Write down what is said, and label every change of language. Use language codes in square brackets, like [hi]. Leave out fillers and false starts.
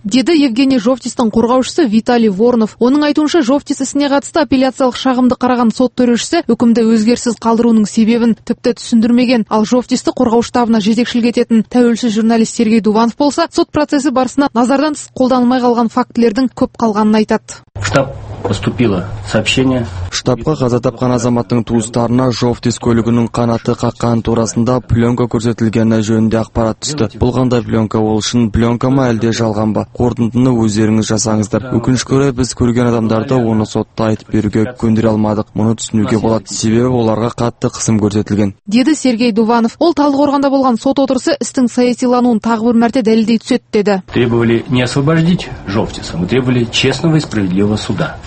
[kk] Деді Евгений Жовтистің қорғаушысы Виталий Воронов. Оның айтуынша Жовтис ісіне қатысты апелляциялық шағымды қараған сот төрешісі үкімді өзгерсіз қалдыруының себебін тіпті түсіндірмеген. Ал Жовтисті қорғау штабына жетекшілік ететін тәуелсіз журналист Сергей Дуванов болса, сот процесі барысында назардан тыс қолданылмай қалған фактілердің көп қалғанын айтады. [ru] Штаб поступило сообщение. [kk] Штабқа қаза тапқан азаматтың туыстарына Жовтис көлігінің қанаты қаққан турасында пленка көрсетілгені жөнінде ақпарат түсті. Бұл қандай пленка? Ол үшін пленка ма, әлде жалған ба? Қорытындыны өздеріңіз жасаңыздар. Өкінішке орай біз көрген адамдарды оны сотта айтып беруге көндіре алмадық. Мұны түсінуге болады, себебі оларға қатты қысым көрсетілген. Деді Сергей Дуванов. Ол Талдықорғанда болған сот отырысы істің саясилануын тағы бір мәрте дәлелдей түседі деді. [ru] Требовали не освобождать Жовтиса, мы требовали честного и справедливого суда.